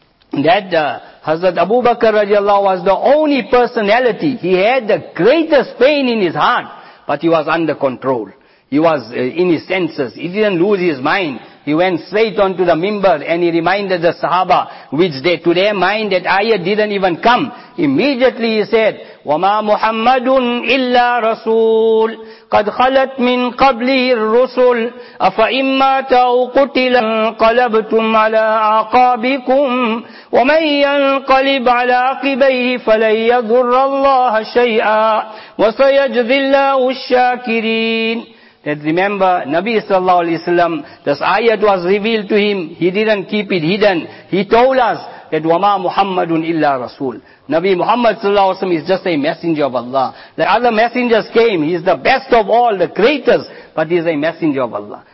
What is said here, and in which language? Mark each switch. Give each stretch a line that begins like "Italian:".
English: That Hazrat Abu Bakr radiallahu was the only personality, he had the greatest pain in his heart, but he was under control. He was in his senses, he didn't lose his mind. He went straight onto the minbar and he reminded the Sahaba, which they, to their mind, that ayah didn't even come.
Arabic: Immediately he said, وَمَا مُحَمَّدٌ إِلَّا رَسُولٌ قَدْ خَلَتْ مِنْ قَبْلِهِ الرُّسُلُ أَفَإِمَّا تَوْ قُتِلَ انْقَلَبْتُمْ عَلَىٰ عَقَابِكُمْ وَمَنْ يَنْقَلِبْ عَلَىٰ عَقِبَيْهِ فَلَنْ يَضُرَّ اللَّهَ شَيْئًا وَسَيَجْزِي اللَّهُ الشَّاكِرِينَ.
English: That remember, Nabi sallallahu alayhi wa sallam, this ayat was revealed to him, he didn't keep it hidden. He told us that
Arabic: وَمَا مُحَمَّدٌ إِلَّا رَسُولٌ.
English: Nabi Muhammad sallallahu alayhi wa sallam is just a messenger of Allah. The other messengers came, he is the best of all, the greatest, but he is a messenger of Allah.